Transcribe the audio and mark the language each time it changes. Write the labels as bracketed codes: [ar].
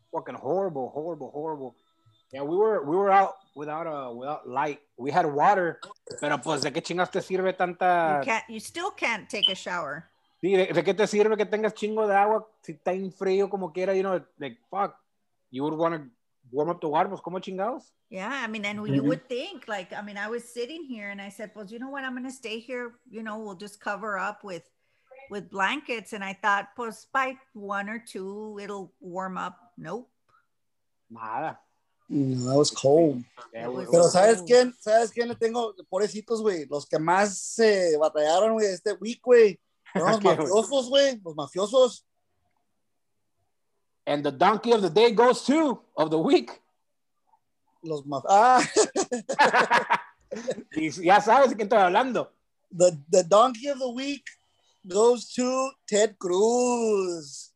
[en] Fucking horrible, horrible, horrible. Yeah, we were out without light. We had water, [es] pero pues, ¿de qué chingas te sirve tanta? [en] You still can't take a shower. [es] Sí, ¿de qué te sirve que tengas chingo de agua si está en frío como quiera? [en] You know, like, fuck. You would want to warm up the water, [es] pues, ¿cómo chingados? [en] Yeah, I mean, and you would think, like, I mean, I was sitting here and I said, well, you know what? I'm going to stay here. You know, we'll just cover up with blankets. And I thought, pues, by one or two, it'll warm up. Nope. [es] Nada. No, [en] that was cold. [es] Pero ¿sabes quién le tengo? Pobrecitos, güey. Los que más se batallaron, güey, este week, güey. Los mafiosos. [en] And the donkey of the day goes to of the week. [es] Los mafiosos. Ah. Ya sabes de quién estoy hablando. [en] The donkey of the week goes to Ted Cruz.